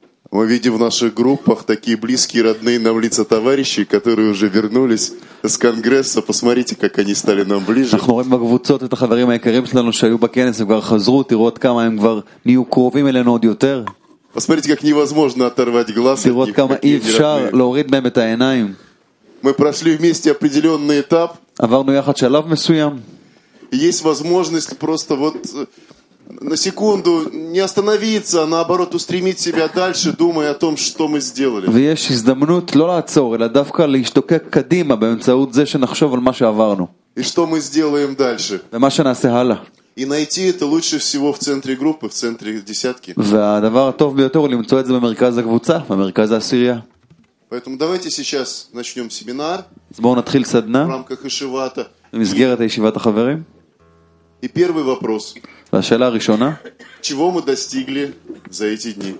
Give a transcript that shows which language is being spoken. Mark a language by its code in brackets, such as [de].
[ru] в наших группах такие близкие, родные нам лица товарищи, которые уже вернулись с конгресса. Посмотрите, как они стали нам ближе. [he] אנחנו רואים בקבוצות את החברים היקרים שלנו שהיו בכנס, הם כבר חזרו, תראו עד כמה הם כבר נהיו קרובים אלינו עוד יותר. [ru] Посмотрите, как невозможно оторвать глаз от них. [he] Тראו עד כמה אי אפשר להוריד מהם את העיניים. [ru] Мы прошли вместе определенный этап. [he] עברנו יחד שלב מסוים. [ru] Есть возможность просто вот... на секунду не остановиться, а наоборот устремить себя дальше, думая о том, что мы сделали. [he] ויש הזדמנות לא לעצור, אלא דווקא להשתוקק קדימה באמצעות זה שנחשוב על מה שעברנו. [ru] И что мы сделаем дальше? [he] ומה שנעשה הלאה. [ru] И найти это лучше всего в центре группы, в центре десятки. [he] והדבר הטוב ביותר למצוא את זה במרכז הקבוצה, במרכז העשירייה. [ru] Поэтому давайте сейчас начнем семинар. [he] אז בואו נתחיל סדנה. [ru] В рамках ישיבת. [he] במסגרת ישיבת החברים. [ru] И первый вопрос. [he] השאלה הראשונה, [ru] чего мы достигли за эти дни?